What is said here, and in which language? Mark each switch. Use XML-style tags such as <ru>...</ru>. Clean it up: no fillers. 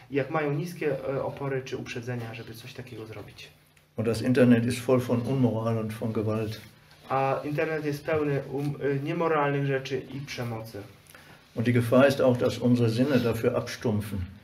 <pl>Jak mają niskie opory czy uprzedzenia, żeby coś takiego zrobić.</pl> <de>Und das Internet ist voll von Unmoral und von Gewalt.</de> <pl>A Internet jest pełny niemoralnych rzeczy i przemocy.</pl> <de>Und die Gefahr ist auch, dass unsere Sinne dafür abstumpfen.</de>